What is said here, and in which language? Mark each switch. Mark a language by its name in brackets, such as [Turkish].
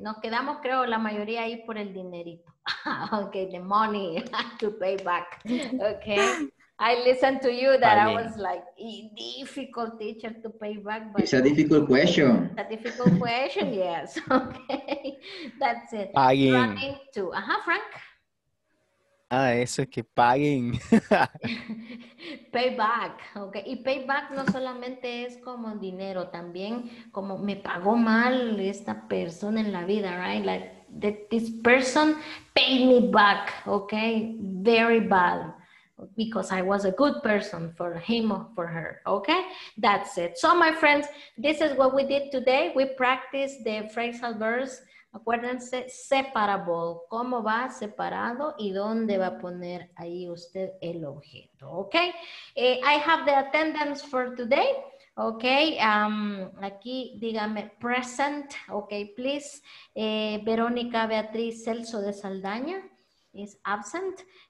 [Spanish] Nos quedamos, creo, la mayoría ahí por el dinerito. [English] Okay, the money to pay back. Okay, I listened to you that I was like a difficult teacher to pay back. But it's a difficult question. It's a difficult question, yes. Okay, that's it. Paying. Running to. Frank. [Spanish] Ah, eso es que paguen. [English] Payback, ok. [Spanish] Y payback no solamente es como dinero, también como me pagó mal esta persona en la vida, right? [English] Like, this person paid me back, ok? Very bad. Because I was a good person for him or for her, ok? That's it. So, my friends, this is what we did today. We practiced the phrasal verbs. [Spanish] Acuérdense, separable. ¿Cómo va separado y dónde va a poner ahí usted el objeto? [English] Okay. I have the attendance for today. Okay. [Spanish] Aquí, dígame, present. [English] Okay, please. Verónica Beatriz Celso de Saldaña is absent.